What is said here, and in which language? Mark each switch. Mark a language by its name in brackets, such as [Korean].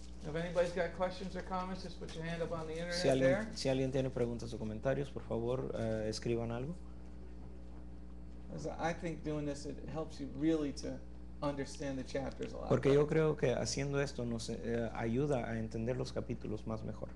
[English] If anybody's got questions or comments, just put your hand up on the internet [Spanish] Si alguien tiene preguntas o comentarios, por favor, escriban algo. [English] I think doing this, it helps you really to understand the chapters a lot. [Spanish] Porque yo creo que haciendo esto nos ayuda a entender los capítulos más mejor.